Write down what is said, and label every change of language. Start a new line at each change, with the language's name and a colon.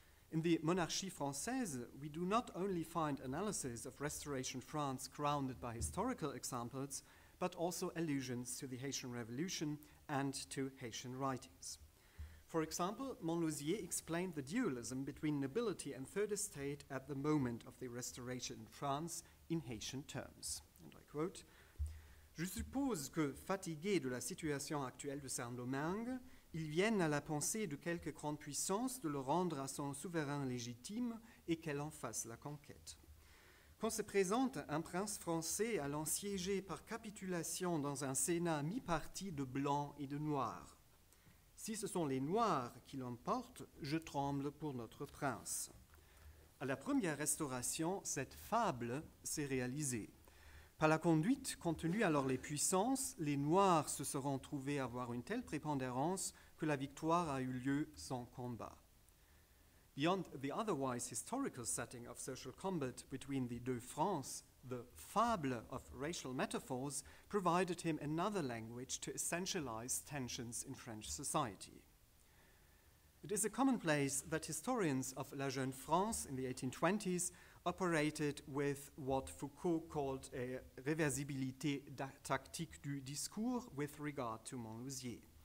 English: In the Monarchie Française, we do not only find analysis of Restoration France grounded by historical examples, but also allusions to the Haitian Revolution and to Haitian writings. For example, Montlosier explained the dualism between nobility and third estate at the moment of the Restoration in France in Haitian terms. And I quote,
French: "Je suppose que, fatigués de la situation actuelle de Saint-Domingue, ils viennent à la pensée de quelques grandes puissances de le rendre à son souverain légitime et qu'elle en fasse la conquête. Quand se présente un prince français allant siéger par capitulation dans un sénat mi-parti de blancs et de noirs, si ce sont les Noirs qui l'emportent, je tremble pour notre prince. À la première restauration, cette fable s'est réalisée. Par la conduite qu'ont tenue alors les puissances, les Noirs se seront trouvés avoir une telle prépondérance que la victoire a eu lieu sans combat."
English: Beyond the otherwise historical setting of social combat between the deux France, the fable of racial metaphors provided him another language to essentialize tensions in French society. It is a commonplace that historians of La Jeune France in the 1820s operated with what Foucault called a
French: réversibilité tactique du discours
English: with regard to Montlosier.